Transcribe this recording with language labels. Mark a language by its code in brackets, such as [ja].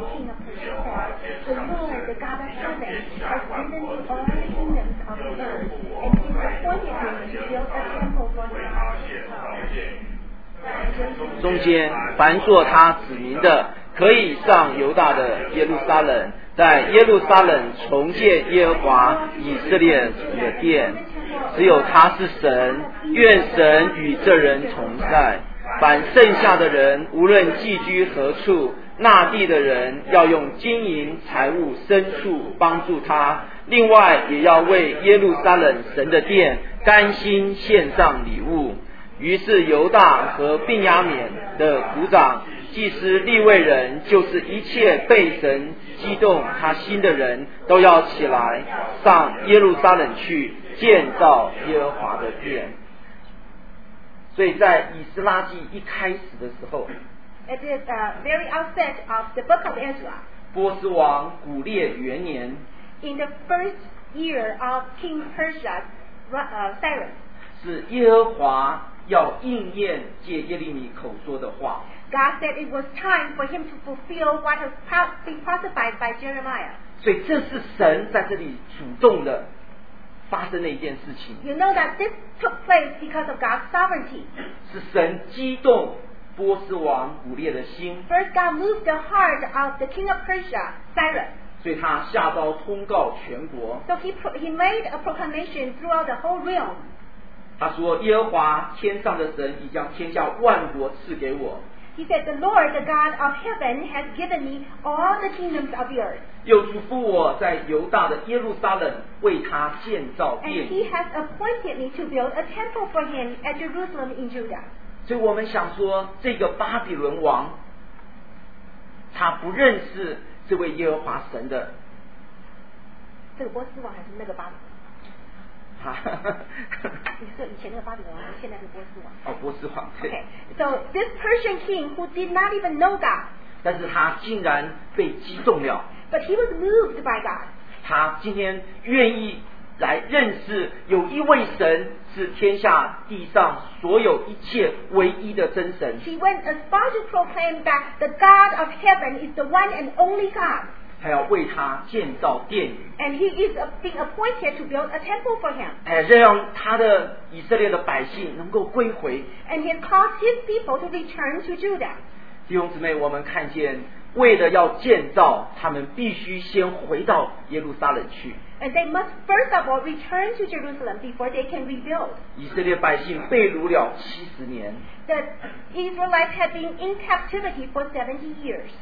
[en] The Lord, the God of heaven, has given you all the kingdoms of the earth, and he's appointed you to build a temple for him. [zh] 中间凡做他子民的可以上犹大的耶路撒冷在耶路撒冷重建耶和华以色列的殿只有他是神愿神与这人同在凡剩下的人无论寄居何处那地的人要用金银财物牲畜帮助他另外也要为耶路撒冷神的殿甘心献上礼物于是犹大和并雅悯的族长祭司利未人就是一切被神激动他心的人都要起来上耶路撒冷去建造耶和华的殿所以在以斯拉记一开始的时候 [en] It is the very outset of the book of Ezra [zh] 波斯王古列元年 [en] In the first year of King Persia Cyrus [zh] 是耶和华要应验借耶利米口说的话。 [en] God said it was time for him to fulfill what has been prophesied by Jeremiah. [zh] 所以这是神在这里主动的发生了一件事情。 [en] You know that this took place because of God's sovereignty. [zh] 是神激动波斯王古列的心。 [en] First, God moved the heart of the king of Persia, Cyrus. [zh] 所以他下诏通告全国。 [en] So he made a proclamation throughout the whole realm. [zh] 他说耶和华天上的神已将天下万国赐给我 [en] He said the Lord the God of heaven has given me all the kingdoms of the earth [zh] 又嘱咐我在犹大的耶路撒冷为他建造殿 [en] And he has appointed me to build a temple for him at Jerusalem in Judah [zh] 所以我们想说这个巴比伦王他不认识这位耶和华神的这个波斯王还是那个巴比伦哦、波斯王 [en] okay. So this Persian king who did not even know God [zh] 但是他竟然被击中了 [en] But he was moved by God [zh] 他今天愿意来认识有一位神是天下地上所有一切唯一的真神。 [en] He went as far to proclaim that the God of heaven is the one and only God. [zh] 还要为他建造殿宇。 [en] And he is being appointed to build a temple for him. [zh] 让他的以色列的百姓能够归回。 [en] And he caused his people to return to Judah. [zh] 弟兄姊妹，我们看见为了要建造，他们必须先回到耶路撒冷去。 [en] And they must first of all return to Jerusalem before they can rebuild. [zh] 以色列百姓被掳了70年。 [en] The Israelites had been in captivity for 70 years.